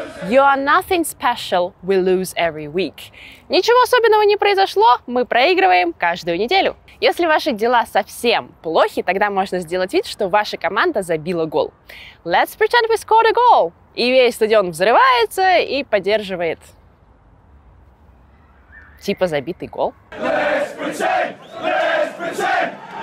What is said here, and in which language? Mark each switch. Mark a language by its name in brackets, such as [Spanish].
[English] You are nothing special, we lose every week. [Russian] Ничего особенного не произошло, мы проигрываем каждую неделю. Если ваши дела совсем плохи, тогда можно сделать вид, что ваша команда забила гол. [English] Let's pretend we scored a goal. [Russian] И весь стадион взрывается и поддерживает. Типа забитый гол. [English] Let's pretend, let's pretend.